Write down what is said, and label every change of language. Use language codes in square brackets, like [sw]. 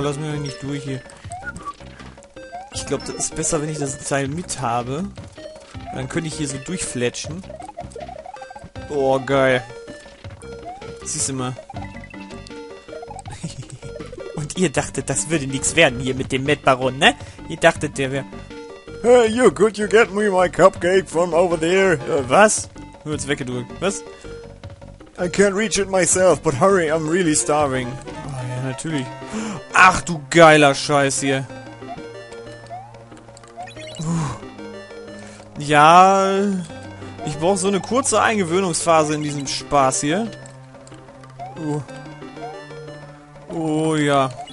[de] Lass mich nicht durch hier. Ich glaube, das ist besser, wenn ich das Teil mit habe. Dann könnte ich hier so durchfletschen. Oh, geil. Siehst du mal. Und ihr dachtet, das würde nichts werden hier mit dem Med-Baron, ne? Ihr dachtet, der wäre... [en] Hey, you, could you get me my cupcake from over there? [de] Was? Du wirst weggedrückt. Was? [en] I can't reach it myself, but hurry, I'm really starving. [de] Oh ja, natürlich. Ach, du geiler Scheiß hier. Ja, ich brauche so eine kurze Eingewöhnungsphase in diesem Spaß hier. Oh ja.